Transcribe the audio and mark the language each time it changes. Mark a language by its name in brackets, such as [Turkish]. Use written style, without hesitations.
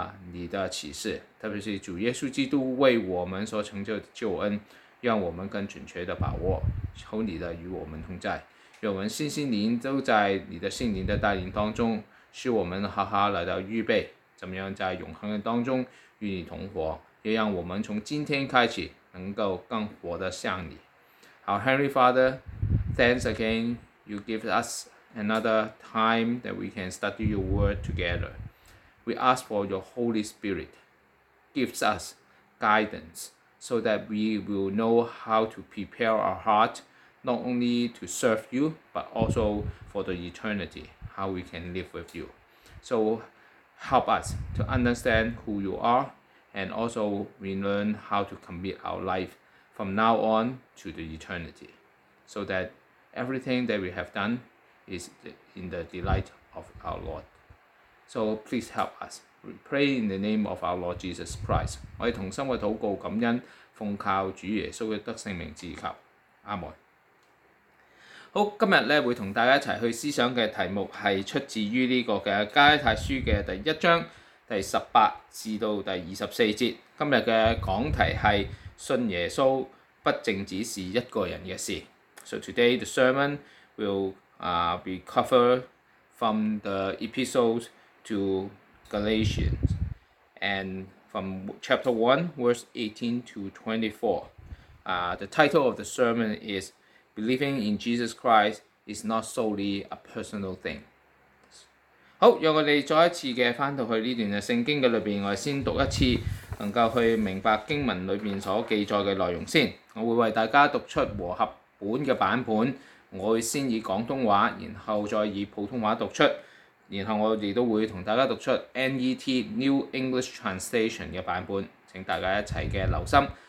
[Chinese] 你的启示，特别是主耶稣基督为我们所成就的救恩，让我们更准确的把握，求你的与我们同在，让我们心心灵都在你的圣灵的带领当中，使我们好好来到预备怎么样在永恒的当中与你同活，也让我们从今天开始能够更活得像你。 [English] Our Heavenly Father, thanks again you give us another time that we can study your word together. We ask for your Holy Spirit gives us guidance so that we will know how to prepare our heartNot only to serve you, but also for the eternity, how we can live with you. So help us to understand who you are, and also we learn how to commit our life from now on to the eternity, so that everything that we have done is in the delight of our Lord. So please help us. We pray in the name of our Lord Jesus Christ. [Chinese] 我们同心的祷告感恩，奉靠主耶稣的得圣名祈求，阿们。好，今天会和大家一起去思想的题目是出自于这个的加拉太书的第一章第十八至到第二十四节。今天的讲题是信耶稣不仅只是一个人的事。 [English] So today the sermon will be covered from the epistles to Galatians and from chapter 1 verse 18 to 24. The title of the sermon isBelieving in Jesus Christ is not solely a personal thing. [Chinese] 好，让我们再一次的回到这段圣经里面，我们先读一次，能够去明白经文里面所记载的内容先。我会为大家读出和合本的版本，我会先以广东话，然后再以普通话读出，然后我们都会和大家读出 NET New English Translation 的版本，请大家一起的留心。